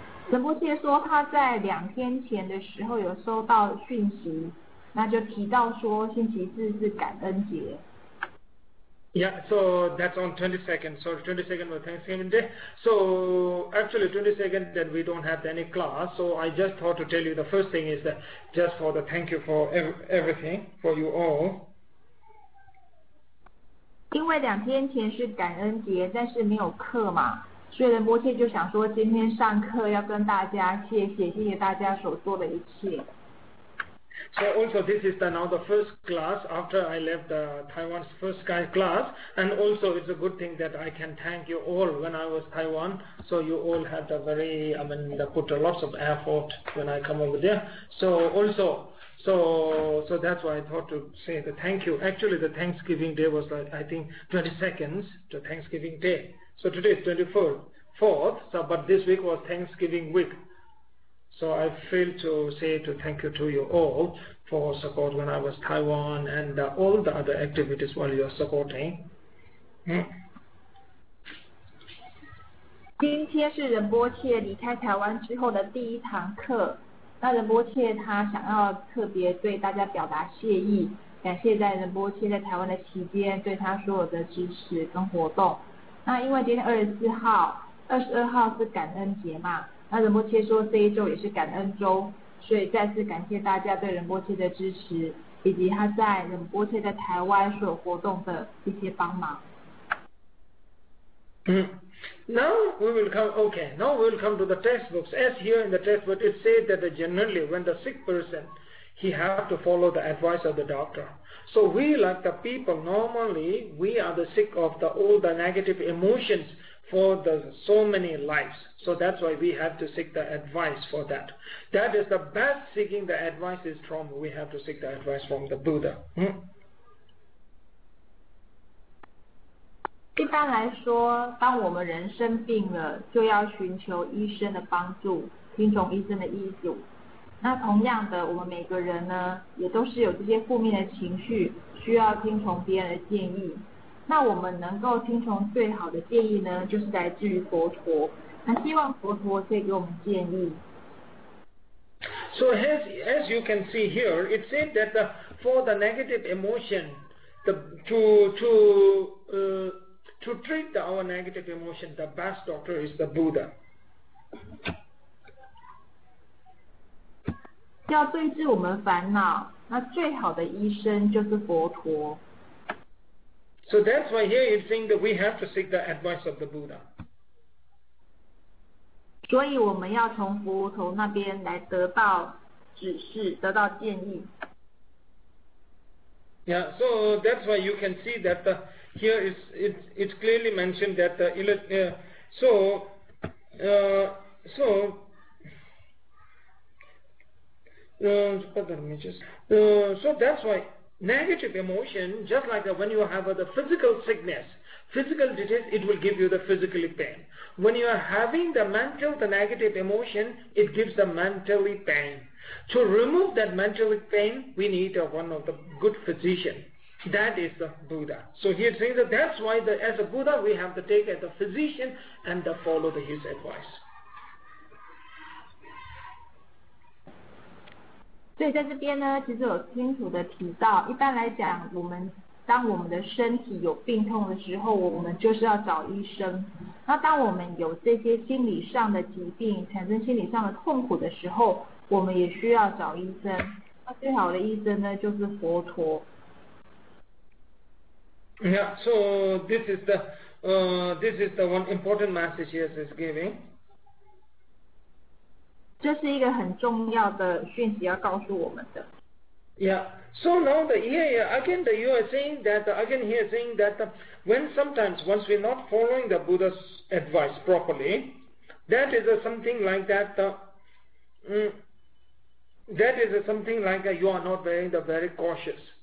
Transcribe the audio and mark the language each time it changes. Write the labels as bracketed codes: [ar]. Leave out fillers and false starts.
[zh] 神父先说，他在2天前的时候有收到讯息，那就提到说星期四是感恩节。 [en] Yeah, so that's on 22nd. So 22nd was Thanksgiving Day. So actually 22nd that we don't have any class. So I just thought to tell you the first thing is that just for the thank you for everything for you all. [zh] 因为2天前是感恩节，但是没有课嘛。所以仁波切就想说，今天上课要跟大家谢谢大家所做的一切。 [en] So also this is now the first class after I left the Taiwan's first sky class, and also it's a good thing that I can thank you all when I was Taiwan. So you all had a very, I mean, they put a lots of effort when I come over there. So that's why I thought to say the thank you. Actually, the Thanksgiving Day was like I think 22nd to Thanksgiving Day. So today is 24th. So but this week was Thanksgiving week. So I feel to say to thank you to you all for support when I was Taiwan and all the other activities while you are supporting. [zh] 今天是仁波切离开台湾之后的第一堂课，那仁波切他想要特别对大家表达谢意，感谢在仁波切在台湾的期间对他所有的支持跟活动。那因为今天22号是感恩节嘛，那仁波切说这一周也是感恩周，所以再次感谢大家对仁波切的支持，以及他在仁波切在台湾所有活动的一些帮忙。 [en] Now we will come to the textbooks. As here in the textbook, it says that generally when the sick person, he have to follow the advice of the doctor. So we like the people, normally we are the sick of the all the negative emotions for the so many lives. So that's why we have to seek the advice for that. That is the best seeking the advice is from, we have to seek the advice from the Buddha. [zh] 一般来说，当我们人生病了，就要寻求医生的帮助，听从医生的医嘱。那同样的，我们每个人呢，也都是有这些负面的情绪，需要听从别人的建议。那我们能够听从最好的建议呢，就是来自于佛陀。那希望佛陀可以给我们建议。 [en] So as you can see here, it said that for the negative emotion, to treat our negative emotion, the best doctor is the Buddha. [zh] 要对治我们烦恼，那最好的医生就是佛陀。 [en] So that's why here it's saying that we have to seek the advice of the Buddha. [zh] 所以我们要从佛陀那边来得到指示，得到建议。 [en] Yeah, so that's why you can see that here is it's clearly mentioned that the so that's why negative emotion, just like when you have the physical sickness, physical disease, it will give you the physically pain. When you are having the mental, the negative emotion, it gives the mentally pain. To remove that mental pain, we need one of the good physician. That is the Buddha. So he is saying that that's why as a Buddha, we have to take as a physician and follow his advice. [zh] 所以在这边呢，其实有清楚的提到，一般来讲，我们当我们的身体有病痛的时候，我们就是要找医生。那当我们有这些心理上的疾病，产生心理上的痛苦的时候，我们也需要找医生。那最好的医生呢，就是佛陀。 [en] Yeah, so this is the one important message Jesus is giving. [zh] 这是一个很重要的讯息要告诉我们的。 [en] Yeah, so now the you are saying that again here saying that when sometimes once we're not following the Buddha's advice properly, that is something like that. That is something like you are not very the very cautious.